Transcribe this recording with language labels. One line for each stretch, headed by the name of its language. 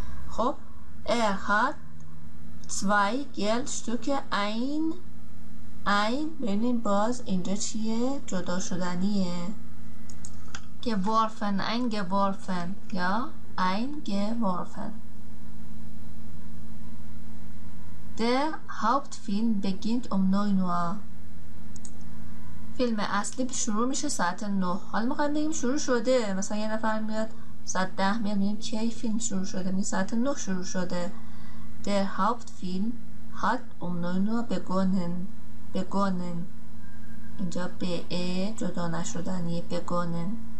Persian: خب هات زوی گلد شتوک این، این ببینیم باز اینجا چیه، جدا شدنیه. گورفن، این گورفن یا این گورفن.
German: Der Hauptfilm beginnt um 9 Uhr.
Persian: فیلم اصلی شروع میشه ساعت 9. حالا میخوایم بگیم شروع شده، مثلا یه نفر میاد ساعت 10 میاد، میگیم کی فیلم شروع شده، میگه ساعت 9 شروع شده.
German: Der Hauptfilm hat um 9 Uhr begonnen. Begonnen.
Persian: اینجا به ا جدا نشدنی begonnen.